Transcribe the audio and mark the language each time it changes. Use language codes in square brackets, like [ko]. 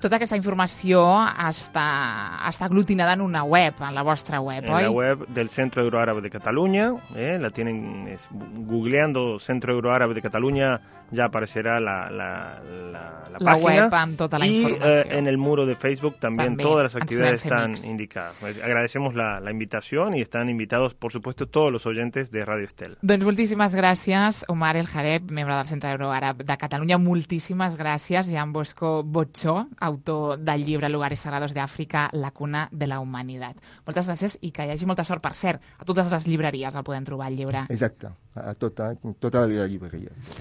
[ca] Tota aquesta informació està aglutinada en una web, en la vostra web, oi? [es] En la web del Centro Euroàrabe de Catalunya, la tienen googleando Centro Euroàrabe de Catalunya, [ca] ja aparecerà la pàgina. La web amb tota la informació. I en el muro de Facebook també. Totes les activitats estan indicades. [es] Agradecemos la [ca] invitació i [es] estan invitados, por supuesto, todos los oyentes de Radio Estel. [ca] Doncs moltíssimes gràcies, Omar El Jareb, membre del Centre Euroàrab de Catalunya. Moltíssimes gràcies, Jean Bosco Bochó, autor del llibre Lugares Sagrados d'Àfrica, la cuna de la humanitat. Moltes gràcies i que hi hagi molta sort, per cert, a totes les llibreries el podem trobar, el llibre. Exacte, a tota la llibreria.